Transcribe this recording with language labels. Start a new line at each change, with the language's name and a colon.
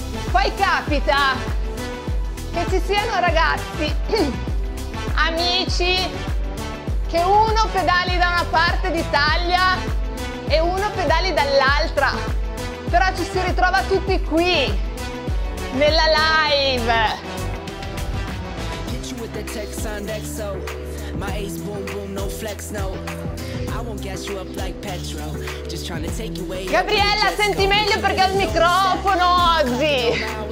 Italian: Poi capita che ci siano ragazzi a amici che uno pedali da una parte d'Italia e uno pedali dall'altra, però ci si ritrova tutti qui nella live.
English: Hit you with the Texan XO, my ace boom boom no flex no. I won't gas you up like Petro, just trying to take you away.
Italian: Gabriella, senti meglio perché ho il microfono oggi.